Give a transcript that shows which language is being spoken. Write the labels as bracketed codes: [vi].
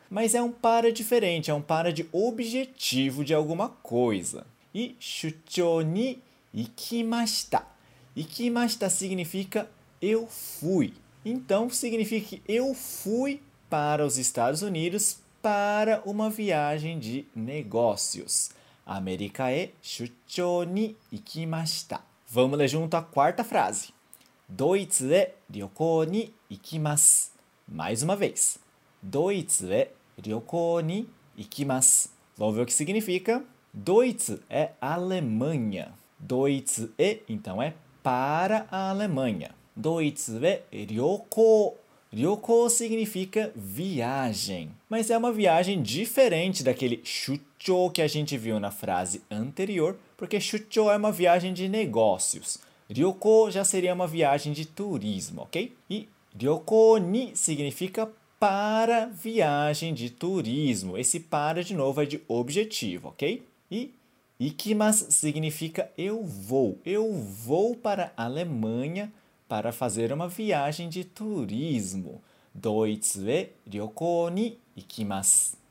[pt] Mas é um para diferente, é um para de objetivo de alguma coisa. [ja] E 出張 に行きました。 [pt] 行きました significa eu fui. Então, significa que eu fui para os Estados Unidos para uma viagem de negócios. [ja] América é 出張 に行きました。 [pt] Vamos ler junto a quarta frase. [ja] ドイツへ旅行に行きます。 [pt] Mais uma vez. [ja] ドイツへ旅行に行きます。 [pt] Vamos ver o que significa. ドイツ é Alemanha. ドイツへ então é para a Alemanha. [ja] ドイツへ旅行。 [pt] 旅行 significa viagem, mas é uma viagem diferente daquele 出張 que a gente viu na frase anterior, porque 出張 é uma viagem de negócios. 旅行 já seria uma viagem de turismo, ok? E 旅行 に significa para viagem de turismo. Esse para, de novo, é de objetivo, ok? E 行きます significa eu vou. Eu vou para a Alemanha para fazer uma viagem de turismo. [ja] ドイツへ旅行に行きます。